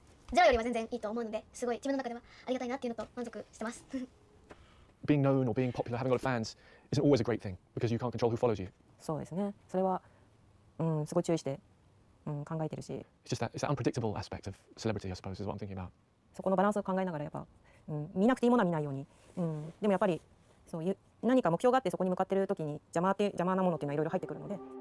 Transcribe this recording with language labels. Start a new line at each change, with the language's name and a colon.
Japanese: ゼロよりは全然いいと思うので、すごい自分の中ではありがたいなっていうのと満足してます。
English: being known or being popular, having a lot of fans, isn't always a great thing because you can't control who follows you.
Japanese: そうですね。それは、すごい注意して、考えてるし。
English: It's just that it's an unpredictable aspect of celebrity, I suppose, is what I'm thinking about.
Japanese: そこのバランスを考えながらやっぱ、見なくていいものは見ないように、でもやっぱりそういう何か目標があってそこに向かってる時に邪魔なものっていうのはいろいろ入ってくるので。